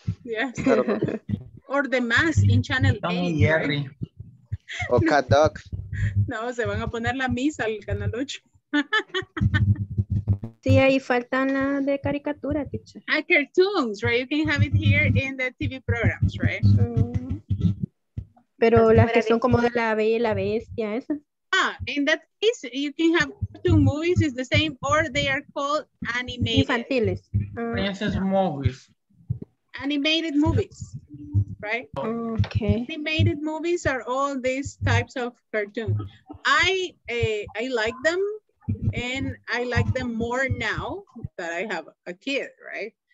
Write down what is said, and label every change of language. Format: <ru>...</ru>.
<en>Yes. Or The Mask in Channel 8.</en> <es>O Cat Dog. No, se van a poner la misa al canal 8. Sí, ahí faltan las de caricatura, teacher.</es> <en>Ah, cartoons, right? You can have it here in the TV programs, right?</en> <es>Pero las que son como de La Bella y la Bestia, esas.</es> <en>Ah, in that case, you can have cartoon movies, it's the same, or they are called animated.</en> <es>Infantiles.</es> <en>Princess movies. Animated movies, right? Okay. Animated movies are all these types of cartoons. I like them. And I like them more now that I have a kid, right?</en>